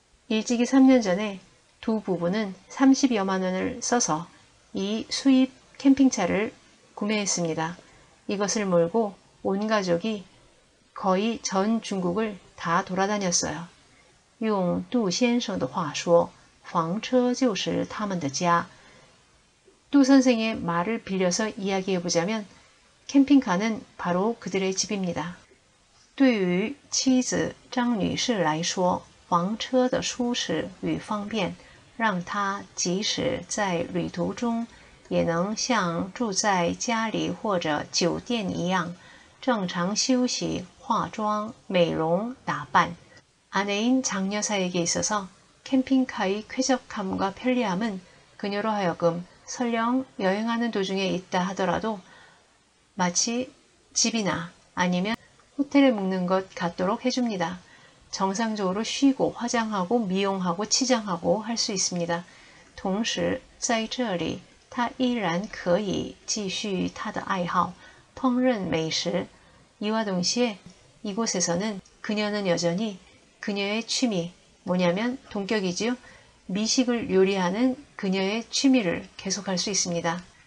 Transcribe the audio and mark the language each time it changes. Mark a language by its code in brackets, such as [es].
[ko] 일찍이 3년 전에 두 부부는 30여만 원을 써서 이 수입 캠핑차를 구매했습니다. 이것을 몰고 온 가족이 거의 전 중국을 다 돌아다녔어요. [zh] 用杜先生的话说，房车就是他们的家。 [ko] 杜선생의말을빌려서이야기해보자면，캠핑카는 바로 그들의 집입니다。 [zh] 对于妻子张女士来说，房车的舒适与方便，让她即使在旅途中，也能像住在家里或者酒店一样，正常休息。 [ko] 화장, 미용, 나반. 아내인 장여사에게 있어서 캠핑카의 쾌적함과 편리함은 그녀로 하여금 설령 여행하는 도중에 있다 하더라도 마치 집이나 아니면 호텔에 묵는 것 같도록 해줍니다. 정상적으로 쉬고 화장하고 미용하고 치장하고 할수 있습니다. 동시에 [zh] 在这里她依然可以继续她的爱好烹饪美食. [ko] 이와 동시에 이곳에서는 그녀는 여전히 그녀의 취미, 뭐냐면 동격이지요. 미식을 요리하는 그녀의 취미를 계속할 수 있습니다.